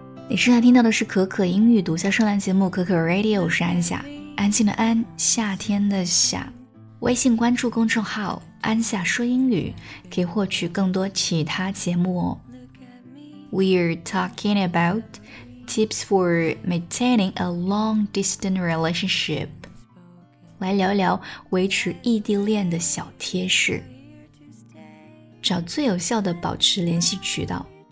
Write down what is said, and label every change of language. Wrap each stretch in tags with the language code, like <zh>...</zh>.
<zh>你正在听到的是可可英语独家专栏节目可可 Radio， 我是安夏，安静的安，夏天的夏。微信关注公众号安夏说英语，可以获取更多其他节目哦。</zh> <en>We're talking about tips for maintaining a long-distance relationship.</en> <zh>来聊聊维持异地恋的小贴士。找最有效的保持联系渠道。</zh>